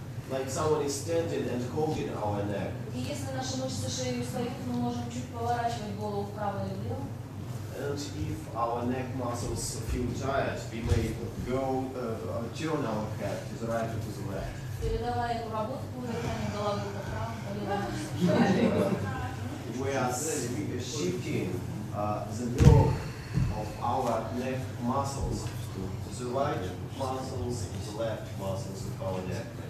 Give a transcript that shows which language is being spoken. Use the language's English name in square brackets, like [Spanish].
[English] Like someone is standing and holding our neck. [Russian] И если наши мышцы шеи устают, мы можем чуть поворачивать голову вправо или влево. [English] And if our neck muscles feel tired, we may go turn our head to the right or to the left. [Russian] Передавая эту работу по вращению головы вправо. [English] We are saying, shifting the work of our neck muscles to the right muscles and the left muscles of our neck.